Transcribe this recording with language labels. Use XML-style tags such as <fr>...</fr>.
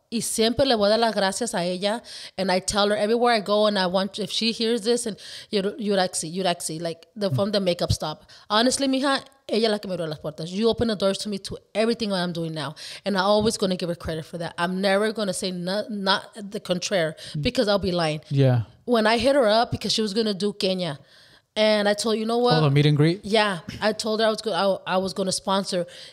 <es>Y siempre le voy a dar las gracias a ella.</es> <en>And I tell her everywhere I go, and I want, if she hears this, and Yurexi, like the, from the makeup stop.</en> <es>Honestly, mija, ella la que me abrió las puertas.</es> <en>You open the doors to me to everything that I'm doing now. And I'm always going to give her credit for that. I'm never going to say not the contrary, because I'll be lying. Yeah. When I hit her up, because she was going to do Kenya, and I told her, you know what? Oh, the meet and greet? Yeah. I told her I was going to sponsor.</en>